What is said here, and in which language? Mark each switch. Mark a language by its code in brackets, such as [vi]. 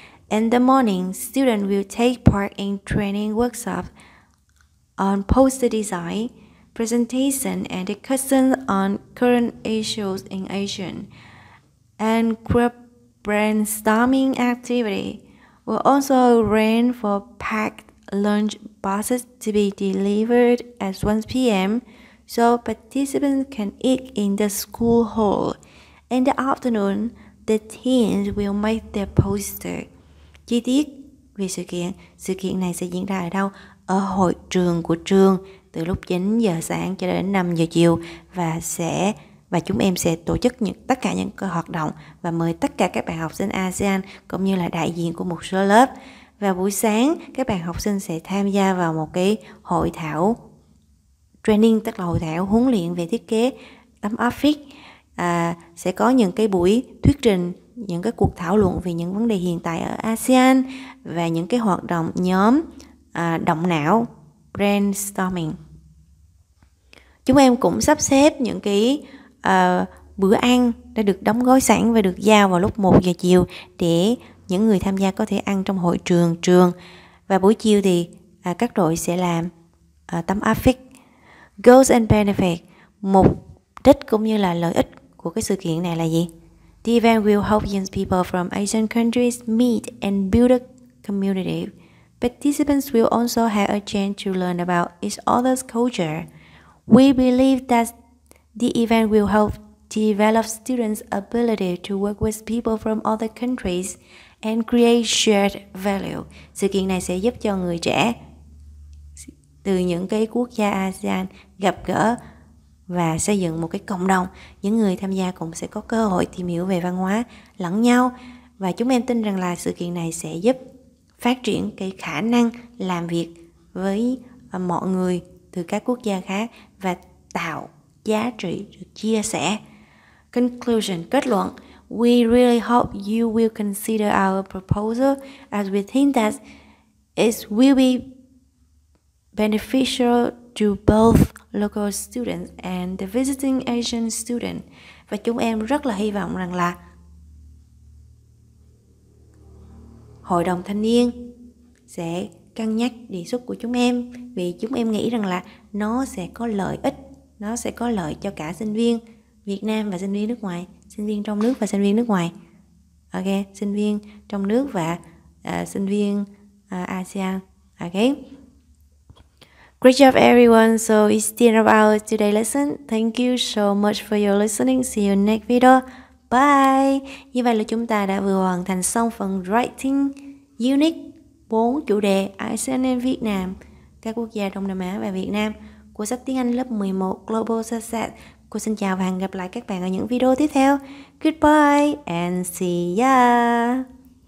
[en] In the morning, students will take part in training workshops on poster design, presentation and discussion on current issues in ASEAN, and group brainstorming activity will also run for packed lunch boxes to be delivered at 1 p.m. so participants can eat in the school hall. In the afternoon, the teens will make their poster. [vi] Chi tiết về sự kiện này sẽ diễn ra ở đâu? Ở hội trường của trường, từ lúc 9 giờ sáng cho đến 5 giờ chiều, và chúng em sẽ tổ chức tất cả những cái hoạt động và mời tất cả các bạn học sinh ASEAN cũng như là đại diện của một số lớp. Và buổi sáng, các bạn học sinh sẽ tham gia vào một cái hội thảo training, tức là hội thảo huấn luyện về thiết kế tấm áp phích. Sẽ có những cái buổi thuyết trình, những cái cuộc thảo luận về những vấn đề hiện tại ở ASEAN và những cái hoạt động nhóm động não, brainstorming. Chúng em cũng sắp xếp những cái bữa ăn đã được đóng gói sẵn và được giao vào lúc 1 giờ chiều để những người tham gia có thể ăn trong hội trường trường. Và buổi chiều thì các đội sẽ làm tấm áp phích. [en] Goals and benefits. [vi] Mục đích cũng như là lợi ích của cái sự kiện này là gì? [en] The event will help young people from Asian countries meet and build a community. Participants will also have a chance to learn about each other's culture. We believe that the event will help develop students' ability to work with people from other countries and create shared value. [vi] Sự kiện này sẽ giúp cho người trẻ từ những cái quốc gia ASEAN gặp gỡ và xây dựng một cái cộng đồng. Những người tham gia cũng sẽ có cơ hội tìm hiểu về văn hóa lẫn nhau. Và chúng em tin rằng là sự kiện này sẽ giúp phát triển cái khả năng làm việc với mọi người từ các quốc gia khác và tạo giá trị được chia sẻ. Conclusion, kết luận. [en] We really hope you will consider our proposal as we think that it will be beneficial to both local students and the visiting Asian student. [vi] Và chúng em rất là hy vọng rằng là hội đồng thanh niên sẽ cân nhắc đề xuất của chúng em, vì chúng em nghĩ rằng là nó sẽ có lợi ích, nó sẽ có lợi cho cả sinh viên Việt Nam và sinh viên nước ngoài, sinh viên trong nước và sinh viên nước ngoài. Ok, sinh viên trong nước và sinh viên ASEAN. [en] Ok. Great job everyone. So it's the end of our today lesson. Thank you so much for your listening. See you next video. Bye. [vi] Như vậy là chúng ta đã vừa hoàn thành xong phần writing unit 4 chủ đề ASEAN and Vietnam, các quốc gia Đông Nam Á và Việt Nam của sách tiếng Anh lớp 11 Global Success. Cô xin chào và hẹn gặp lại các bạn ở những video tiếp theo. [en] Goodbye and see ya.